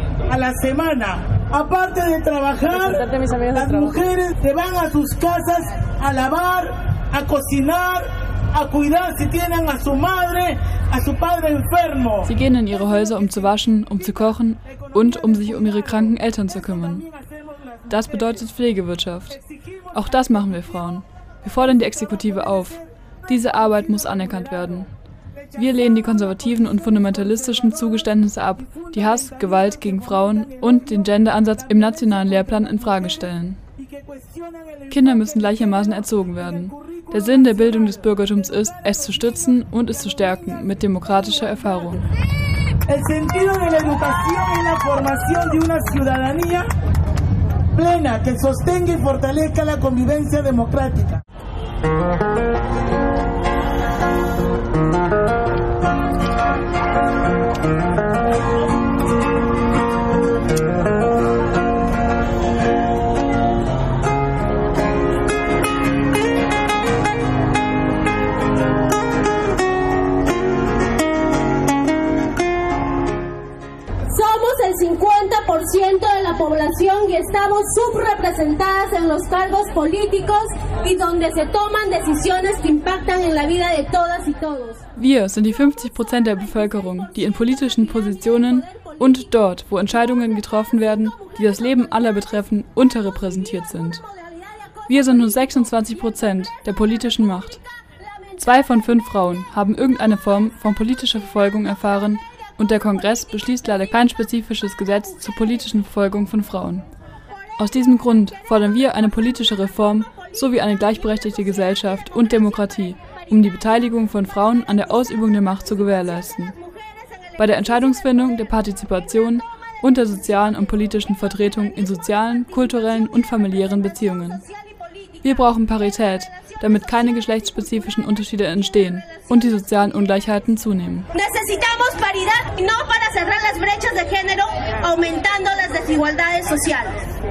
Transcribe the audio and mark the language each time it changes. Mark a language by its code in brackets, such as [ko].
[es] A la semana, aparte de trabajar, las mujeres se van a sus casas a lavar, a cocinar, a cuidar si tienen a su madre, a su padre enfermo. [de] Sie gehen in ihre Häuser, um zu waschen, um zu kochen und um sich um ihre kranken Eltern zu kümmern. Das bedeutet Pflegewirtschaft. Auch das machen wir Frauen. Wir fordern die Exekutive auf. Diese Arbeit muss anerkannt werden. Wir lehnen die konservativen und fundamentalistischen Zugeständnisse ab, die Hass, Gewalt gegen Frauen und den Gender-Ansatz im nationalen Lehrplan infrage stellen. Kinder müssen gleichermaßen erzogen werden. Der Sinn der Bildung des Bürgertums ist, es zu stützen und es zu stärken mit demokratischer Erfahrung. [es] El sentido de la educación es la formación de una ciudadanía plena que sostenga y fortalezca la convivencia democrática. Somos el 50% de la población y estamos subrepresentadas en los cargos políticos y donde se toman decisiones que impactan en la vida de todas y todos. [de] Wir sind die 50% der Bevölkerung, die in politischen Positionen und dort, wo Entscheidungen getroffen werden, die das Leben aller betreffen, unterrepräsentiert sind. Wir sind nur 26% der politischen Macht. 2 von 5 Frauen haben irgendeine Form von politischer Verfolgung erfahren und der Kongress beschließt leider kein spezifisches Gesetz zur politischen Verfolgung von Frauen. Aus diesem Grund fordern wir eine politische Reform sowie eine gleichberechtigte Gesellschaft und Demokratie, um die Beteiligung von Frauen an der Ausübung der Macht zu gewährleisten. Bei der Entscheidungsfindung, der Partizipation und der sozialen und politischen Vertretung in sozialen, kulturellen und familiären Beziehungen. Wir brauchen Parität, damit keine geschlechtsspezifischen Unterschiede entstehen und die sozialen Ungleichheiten zunehmen. [es] Necesitamos paridad no para cerrar las brechas de género, aumentando las desigualdades sociales.